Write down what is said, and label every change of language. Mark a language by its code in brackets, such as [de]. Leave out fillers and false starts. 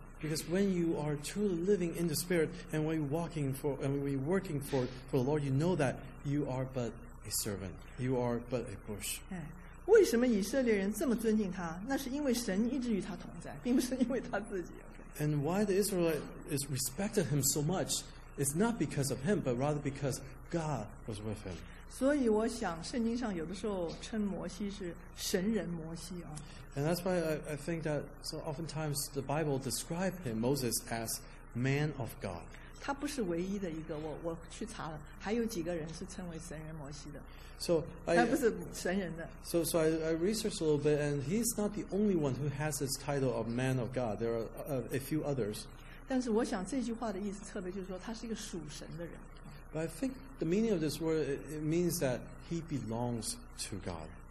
[en] Because when you are truly living in the Spirit and when you're walking for and when you're working for the Lord, you know that you are but a servant. You are but a bush. [zh] 为什么以色列人这么尊敬他？那是因为神一直与他同在，并不是因为他自己。 [en] And why the Israelites respected him so much is not because of him, but rather because God was with him. [zh] 所以我想圣经上有的时候称摩西是神人摩西啊。 [en] And that's why I think that so oftentimes the Bible describes him, Moses, as man of God. [zh] 他不是唯一的一个，我去查了，还有几个人是称为神人摩西的。 [en] So I [zh] 他不是神人的。 [en] So I researched a little bit, and he's not the only one who has this title of man of God. There are a few others. [zh] 但是我想这句话的意思特别就是说，他是一个属神的人。 [en] But I think the meaning of this word it means that he belongs to God.